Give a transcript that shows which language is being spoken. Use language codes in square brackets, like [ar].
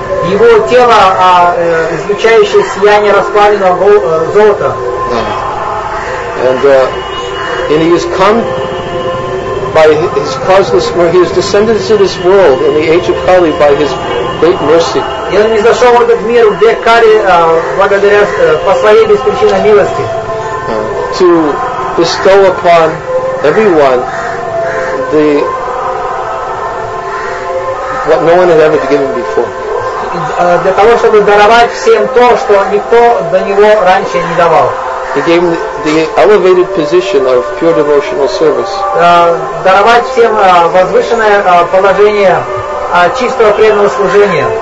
[ru] Его тело излучающее сияние расплавленного золота. [en] And he has come by his causeless mercy. He has descended to this world in the age of Kali by his great mercy. [ru] И он не зашел в этот мир в век Кали благодаря по своей беспричинной милости. [en] To bestow upon everyone the what no one had ever given before. [ru] Для того, чтобы даровать всем то, что никто до него раньше не давал. [en] He gave the elevated position of pure devotional service. [ru] Даровать всем возвышенное положение чистого преданного служения.